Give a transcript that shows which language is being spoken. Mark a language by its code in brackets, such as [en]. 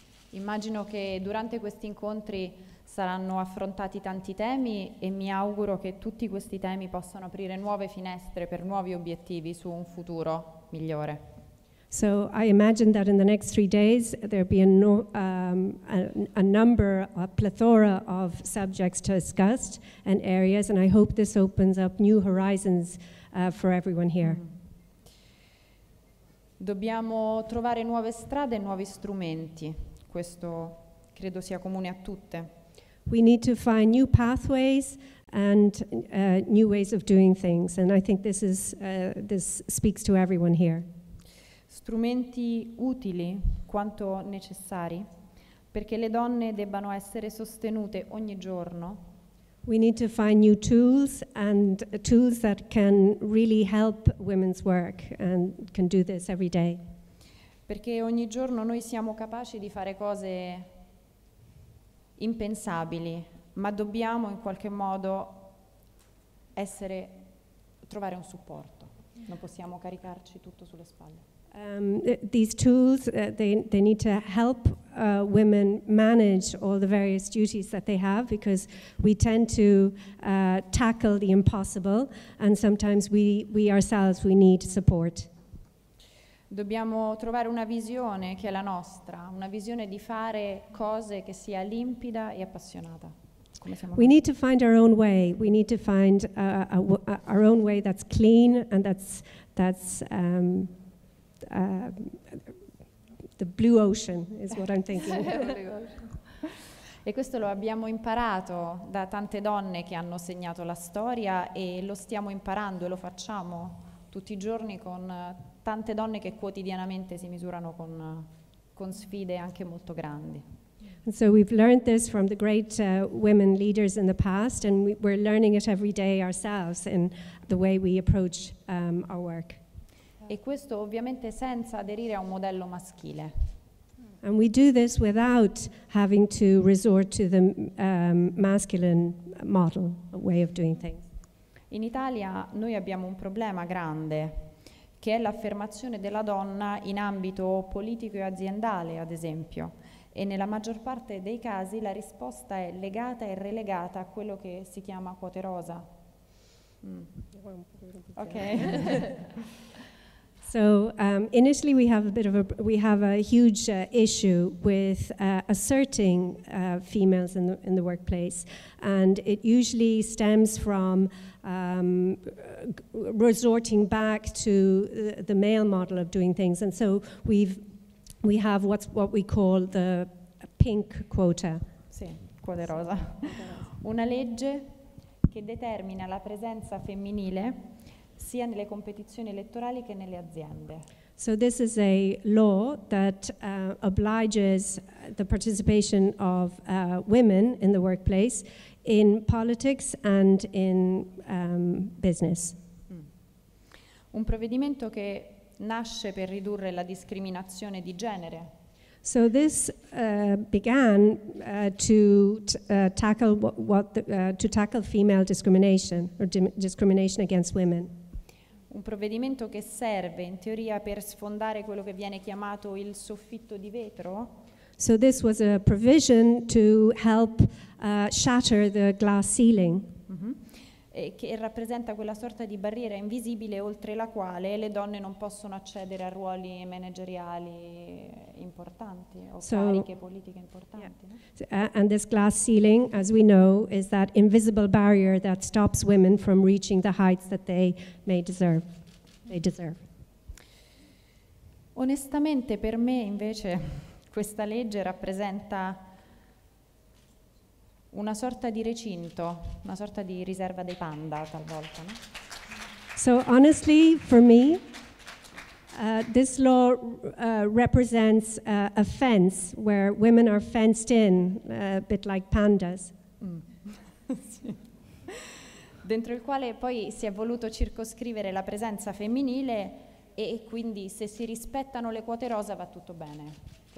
[it] Immagino che durante questi incontri saranno affrontati tanti temi e mi auguro che tutti questi temi possano aprire nuove finestre per nuovi obiettivi su un futuro migliore. [en] So I imagine that in the next 3 days there'll be a plethora of subjects to discuss and areas, and I hope this opens up new horizons for everyone here. [it] Dobbiamo trovare nuove strade e nuovi strumenti. Questo credo sia comune a tutte. [en] We need to find new pathways and new ways of doing things, and I think this is this speaks to everyone here. [it] Strumenti utili quanto necessari perché le donne debbano essere sostenute ogni giorno. [en] We need to find new tools and tools that can really help women's work and can do this every day. [it] Perché ogni giorno noi siamo capaci di fare cose impensabili, ma dobbiamo in qualche modo essere trovare un supporto. Non possiamo caricarci tutto sulle spalle. [en] These tools they need to help women manage all the various duties that they have, because we tend to tackle the impossible, and sometimes we ourselves we need support. [it] Dobbiamo trovare una visione che è la nostra, una visione di fare cose che sia limpida e appassionata. [en] We need to find our own way. We need to find our own way that's clean and the blue ocean is what I'm thinking. [it] E questo lo abbiamo imparato da tante donne che hanno segnato la storia, e lo stiamo imparando e lo facciamo tutti i giorni con tante donne che quotidianamente si misurano con sfide anche molto grandi. [en] And so we've learned this from the great women leaders in the past, and we're learning it every day ourselves in the way we approach our work. [it] E questo ovviamente senza aderire a un modello maschile. [en] And we do this without having to resort to the masculine model, a way of doing things. [it] In Italia noi abbiamo un problema grande, che è l'affermazione della donna in ambito politico e aziendale, ad esempio. E nella maggior parte dei casi la risposta è legata e relegata a quello che si chiama quote rosa. Ok. [en] So initially we have a huge issue with asserting females in the workplace, and it usually stems from resorting back to the male model of doing things, and so we have what we call the pink quota. [it] Sì, quota rosa. Una legge che determina la presenza femminile sia nelle competizioni elettorali che nelle aziende. [en] So this is a law that obliges the participation of women in the workplace, in politics and in business. [it] Un provvedimento che nasce per ridurre la discriminazione di genere. [en] So this began to tackle female discrimination or discrimination against women. [it] Un provvedimento che serve in teoria per sfondare quello che viene chiamato il soffitto di vetro. [en] So this was a provision to help shatter the glass ceiling. Mm-hmm. [it] E che rappresenta quella sorta di barriera invisibile oltre la quale le donne non possono accedere a ruoli manageriali importanti o [en] so, [it] cariche politiche importanti. [en] Yeah. No? And this glass ceiling, as we know, is that invisible barrier that stops women from reaching the heights that they may deserve. They deserve. [it] Onestamente, per me, invece, questa legge rappresenta una sorta di recinto, una sorta di riserva dei panda talvolta, no? [en] So honestly, for me, this law represents a fence where women are fenced in, a bit like pandas. [it] Dentro il quale poi si è voluto circoscrivere la presenza femminile, e quindi se si rispettano le quote rosa va tutto bene.